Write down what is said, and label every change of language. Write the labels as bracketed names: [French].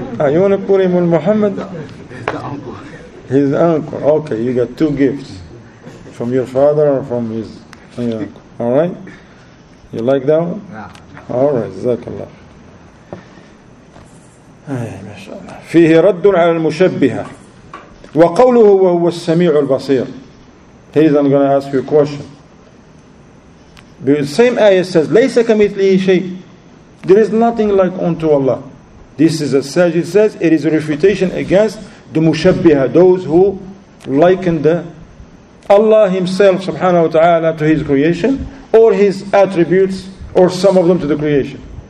[English] You want to put him on Muhammad? He's the uncle. His uncle. Okay, you got two gifts. From your father or from his uncle. Alright? You like that one? Yeah. All right, [Arabic] جزاك الله. ما شاء الله. فيه رد على المشبهة وقوله وهو السميع البصير. [English] He's not going to ask you a question. The same ayah says, [Arabic] ليس كمثله شيء. [English] There is nothing like unto Allah. This is a Sajid says, it is a refutation against the mushabbiha, those who liken Allah himself, subhanahu wa ta'ala, to his creation, or his attributes, or some of them to the creation.